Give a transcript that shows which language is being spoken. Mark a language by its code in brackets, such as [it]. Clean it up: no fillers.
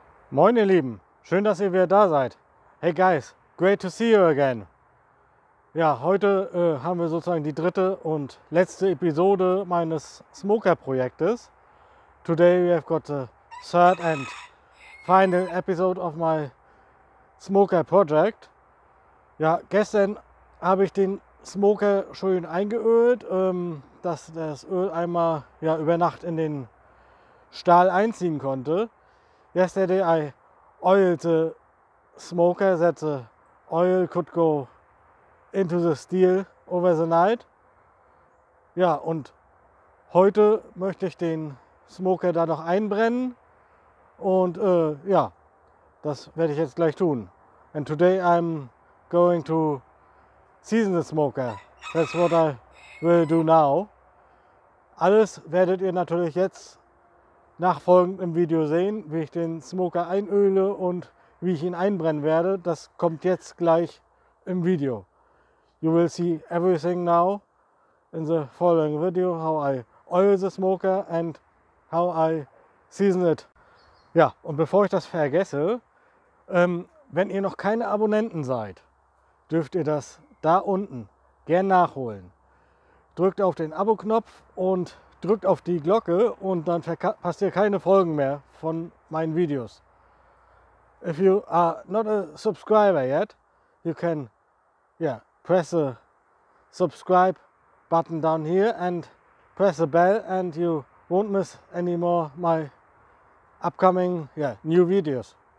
[de] Moin ihr Lieben, schön, dass ihr wieder da seid. [en] Hey guys, great to see you again. [de] Ja, heute haben wir sozusagen die dritte und letzte Episode meines Smoker-Projektes. [en] Today we have got the third and final episode of my Smoker-Project. [de] Ja, gestern habe ich den Smoker schön eingeölt, dass das Öl einmal ja, über Nacht in den Stahl einziehen konnte. [en] Yesterday I oiled the smoker, that the oil could go into the steel over the night. [de] Ja, und heute möchte ich den Smoker da noch einbrennen. Und ja, das werde ich jetzt gleich tun. [en] And today I'm going to season the smoker. That's what I will do now. [de] Alles werdet ihr natürlich jetzt nachfolgend im Video sehen, wie ich den Smoker einöle und wie ich ihn einbrennen werde. Das kommt jetzt gleich im Video. [en] You will see everything now in the following video, how I oil the smoker and how I season it. [de] Ja, und bevor ich das vergesse, wenn ihr noch keine Abonnenten seid, dürft ihr das da unten gern nachholen. Drückt auf den Abo-Knopf und drückt auf die Glocke und dann verpasst ihr keine Folgen mehr von meinen Videos. [en] If you are not a subscriber yet, you can press the subscribe button down here and press the bell and you won't miss any more my upcoming new videos.